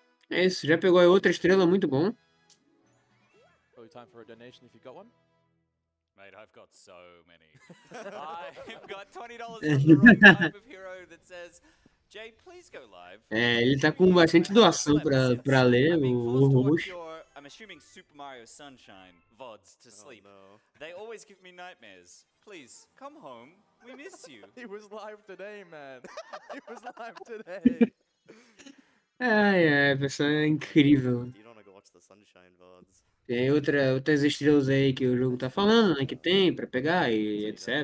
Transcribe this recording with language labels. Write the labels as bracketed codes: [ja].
[pt] É isso, já pegou aí outra estrela, muito bom. [en] Probably time for a donation if you got one. Mate, I've got so many. I've got $20 from the wrong type of hero that says, Jay, please go live. [pt] É, ele tá com bastante doação pra ler o roxo. [en] I'm assuming Super Mario Sunshine VODs to sleep. Oh, no. They always give me nightmares. Please, come home. We miss you. He was live today, man. He was live today. [pt] Ai, a pessoa é incrível. [en] You don't want to go watch the Sunshine VODs. [pt] Tem outras estrelas aí que o jogo tá falando, né? Que tem pra pegar e etc.